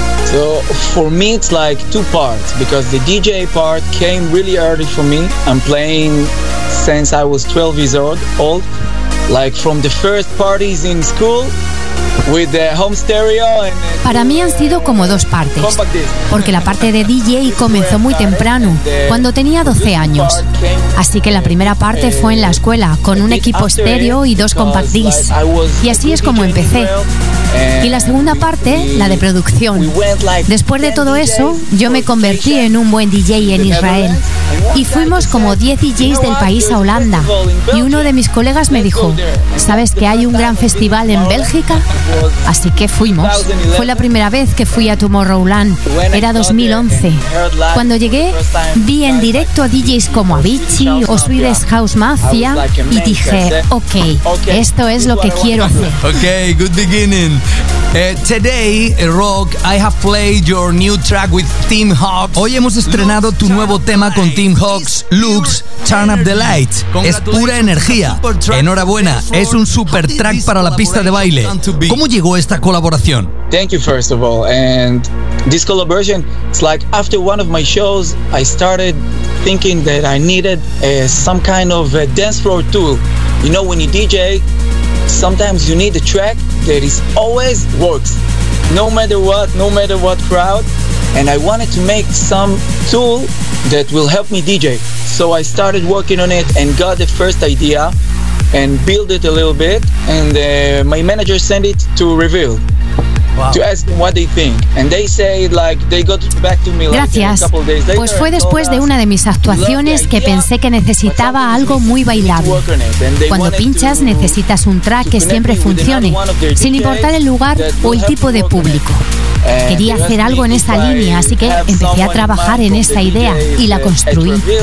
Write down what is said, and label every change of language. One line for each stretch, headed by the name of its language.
English: So for me it's like two parts because the DJ part came really early for me. I'm playing since I was 12 years old, like from the first parties in school. With the home stereo and
Spanish: para mí han sido como dos partes, porque la parte de DJ comenzó muy temprano, cuando tenía 12 años. Así que la primera parte fue en la escuela, con un equipo estéreo y dos compact discs. Y así es como empecé. Y la segunda parte, la de producción. Después de todo eso, yo me convertí en un buen DJ en Israel. Y fuimos como 10 DJs del país a Holanda. Y uno de mis colegas me dijo, ¿sabes que hay un gran festival en Bélgica? Así que fuimos. Fue la primera vez que fui a Tomorrowland. Era 2011. Cuando llegué, vi en directo a DJs como Avicii o Swedish House Mafia y dije, ok, esto es lo que quiero hacer.
English: Ok, good beginning. Today, Rock, I have played your new track with Tim Hawks.
Spanish: Hoy hemos estrenado tu nuevo tema con Tim Hawks, Lux, Turn Up the Light. Es pura energía. Enhorabuena, es un super track para la pista de baile. ¿Cómo llegó esta colaboración?
English: Thank you, first of all. And this collaboration, it's like after one of my shows, I started thinking that I needed some kind of a dance floor tool. You know, when you DJ, sometimes you need a track that is always works, no matter what, no matter what crowd. And I wanted to make some tool that will help me DJ. So I started working on it and got the first idea and build it a little bit, and my manager sent it to Reveal. Wow. To ask them what they think. And they say, like, they got back to me like,
Spanish: gracias.
English: A couple days later,
Spanish: pues fue después de una de mis actuaciones que pensé que necesitaba algo muy bailable. Cuando pinchas necesitas un track que siempre funcione, sin importar el lugar o el tipo de público. Quería hacer algo en esa línea, así que empecé a trabajar en esa idea y la construí.